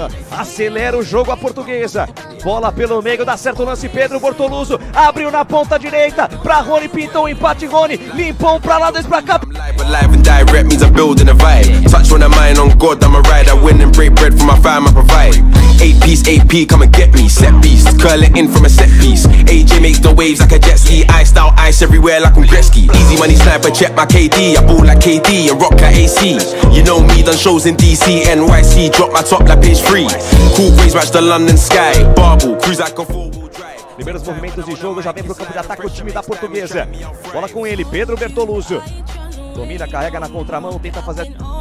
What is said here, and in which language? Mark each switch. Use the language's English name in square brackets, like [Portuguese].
[Portuguese] Acelera o jogo a portuguesa. Bola pelo meio, dá certo o lance. Pedro Bortoluso abriu na ponta direita pra Rony, pintou um empate. Rony limpou pra lá, dois pra cá. [English] Live and direct means I'm building a vibe. Touch on a mind on God, I'm a ride. I win and break bread for my fam, I provide. Eight piece, AP, come and get me. Set piece, curl it in from a set piece. AJ makes the waves like a jet ski. Ice out, ice everywhere like I'm Gretzky. Easy money sniper, check my KD. I ball like KD and rock like AC. You know me, done shows in DC, NYC. Drop my top like page 3. Cool breeze, match the London sky. Barble, cruise like a four wheel drive. [Portuguese] Primeiros movimentos de jogo, já vem pro campo de ataque o time da portuguesa. Bola com ele, Pedro Bertoluso. Domina, carrega na contramão, tenta fazer.